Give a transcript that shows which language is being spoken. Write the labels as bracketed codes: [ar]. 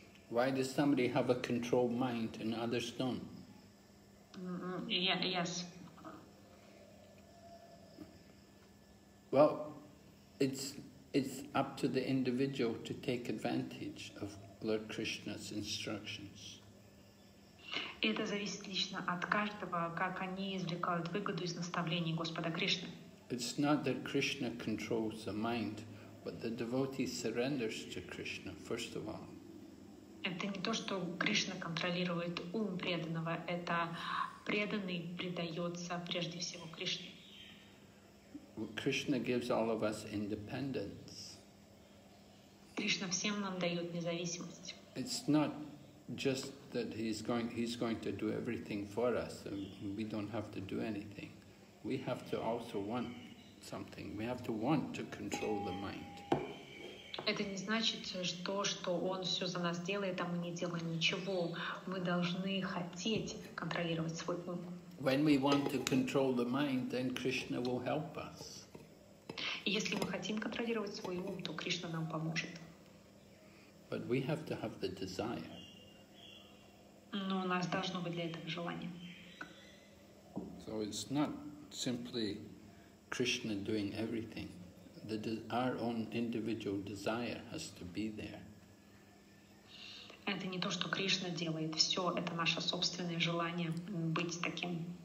[en] Why does somebody have a controlled mind and others don't? Yes. Well, it's up to the individual to take advantage of Lord Krishna's instructions. [ru] Это зависит лично от каждого, как они извлекают выгоду из наставлений Господа Кришны. [en] It's not that Krishna controls the mind, but the devotee surrenders to Krishna, first of all. [ru] Это не то, что Кришна контролирует ум преданного, это преданный предается прежде всего Кришне. [en] Krishna gives all of us independence. [ru] Кришна всем нам дает независимость. [en] It's not just that he's going to do everything for us and we don't have to do anything. We have to also want something. We have to want to control the mind. [ru] Это не значит, что он все за нас делает, а мы не делаем ничего. Мы должны хотеть контролировать свой ум. [en] When we want to control the mind, then Krishna will help us. [ru] Если мы хотим контролировать свой ум, то Кришна нам поможет. [en] But we have to have the desire. [ru] Но у нас должно быть для этого желание. [en] So it's not simply Krishna doing everything. Our own individual desire has to be there. [ru] Это не то, что Кришна делает все, это наше собственное желание быть таким.